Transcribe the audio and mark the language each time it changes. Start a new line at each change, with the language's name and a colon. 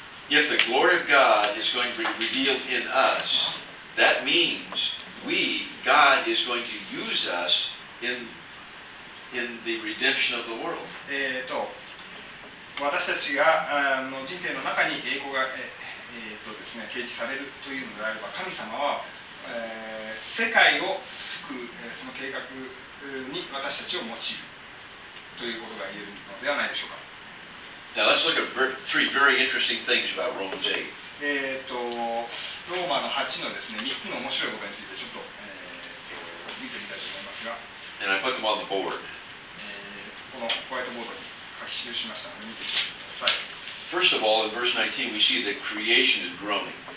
English: If the glory of God is going to be revealed in us, that means God is going to use us in the redemption of the world.
Japanese: 私たちが、の人生の中に栄光が、ですね、掲示されるというのであれば、神様は、世界を救う、その計画に私たちを用いるということが言えるのではないでしょうか。
English: Now let's look at three very interesting things about Romans 8.
Japanese: ローマの8のですね、3つの面白いことについてちょっと、見てみたいと思いますが。
English: And I put them on the board.
Japanese: このホワイトボードに書き記しましたので見てみてください。
English: First of all, in verse 19, we see that creation is groaning.